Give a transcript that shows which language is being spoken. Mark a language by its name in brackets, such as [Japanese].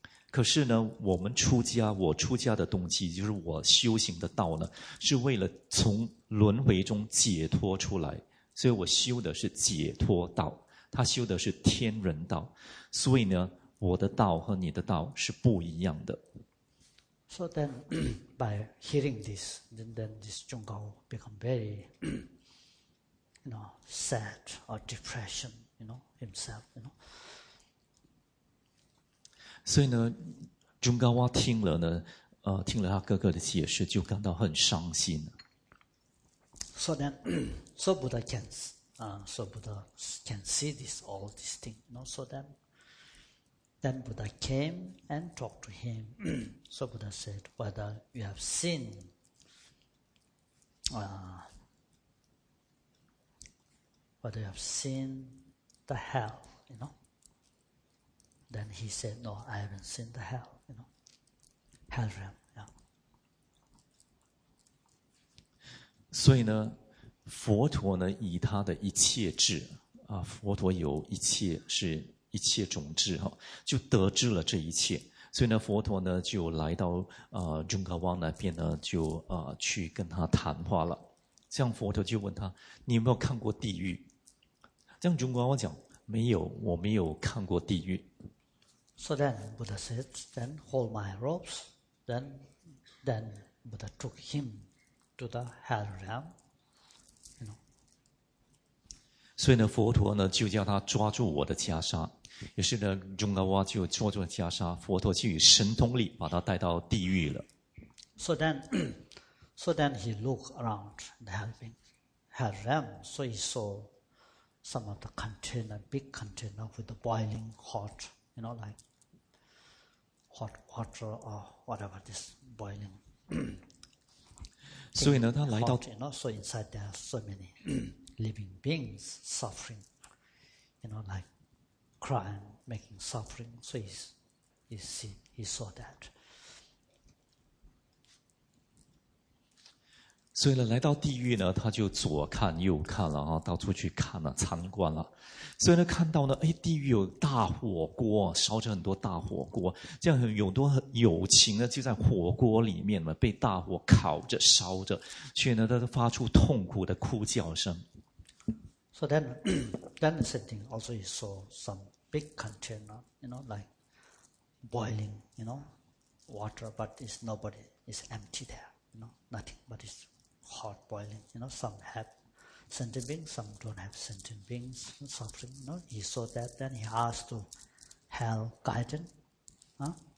[Chinese] 可是呢，我出家的动机就是我修行的道呢，是为了从轮回中解脱出来，所以我修的是解脱道，他修的是天人道，所以呢，我的道和你的道是不一样的。 [English] So then, by hearing this, then this Jun Gao become very, you know, sad or depression, you know, himself, you know. [Chinese] 所以呢，中高娃听了呢，听了他哥哥的解释，就感到很伤心。 [English] So then, so Buddha can, so Buddha can see this all these things. You know, so then Buddha came and talked to him. So Buddha said, "Whether you have seen, whether you have seen the hell, you know." Then he said, "No, I haven't seen the hell, you know, hell realm." Yeah. [Chinese] 所以呢，佛陀呢以他的一切智啊，佛陀有一切是一切种智哈，就得知了这一切。所以呢，佛陀呢就来到中高王那边呢，就去跟他谈话了。这样佛陀就问他：“你有没有看过地狱？” 这样中高王讲：“没有，我没有看过地狱。” [English] So then Buddha said, "Then hold my robes." Then Buddha took him to the hell realm. You know. [Chinese] 所以呢，佛陀呢就叫他抓住我的袈裟。于是呢，中高娃就抓住了袈裟，佛陀就以神通力把他带到地狱了。 [English] So then he looked around the hell realm. So he saw some of the container, big container with the boiling hot. You know, like hot water or whatever this boiling. [Chinese] 所以呢，他来到 [English] hot, you know, so inside there are so many living beings suffering. You know, like crying, making suffering. So he saw that. [Chinese] 所以呢，来到地狱呢，他就左看右看了啊，到处去看了，参观了。所以呢，看到呢，哎，地狱有大火锅，烧着很多大火锅，这样有多友情呢，就在火锅里面嘛，被大火烤着、烧着，所以呢，他都发出痛苦的哭叫声。 [English] So then the same thing also he saw some big container, you know, like boiling, you know, water, but it's nobody, it's empty there, you know, nothing, but it's hot boiling, you know, some have. Sentient beings, some don't have sentient beings suffering. You know, he saw that, then he asked to hell guide him.